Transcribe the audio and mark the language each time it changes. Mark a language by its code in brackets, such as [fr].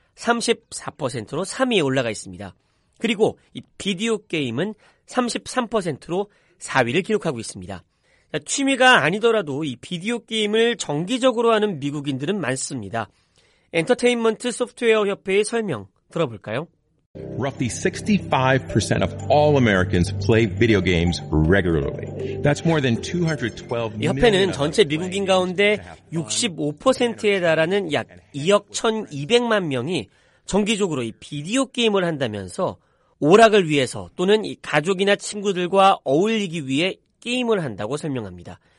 [ko] 34%로 3위에 올라가 있습니다. 그리고 이 비디오 게임은 33%로 4위를 기록하고 있습니다. 취미가 아니더라도 이 비디오 게임을 정기적으로 하는 미국인들은 많습니다. 엔터테인먼트 소프트웨어 협회의 설명 들어볼까요? [en] Roughly 65% of all Americans play video games regularly. That's more than 212. [ko] 이 협회는 전체 미국인 가운데 65%에 달하는 약 2억 1,200만 명이 정기적으로 이 비디오 게임을 한다면서 오락을 위해서 또는 이 가족이나 친구들과 어울리기 위해 게임을 한다고 설명합니다.